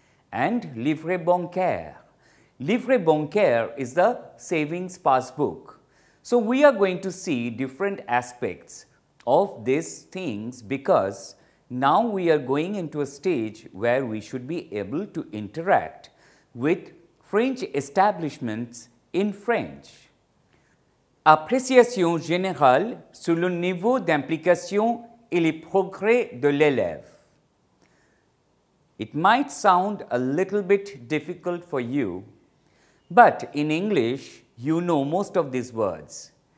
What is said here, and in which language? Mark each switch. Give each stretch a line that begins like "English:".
English: And livret bancaire. Livret bancaire is the savings passbook. So we are going to see different aspects of these things because now we are going into a stage where we should be able to interact with French establishments in French.
French: Appréciation générale sur le niveau d'implication et les progrès de l'élève.
English: It might sound a little bit difficult for you. But in English, you know most of these words.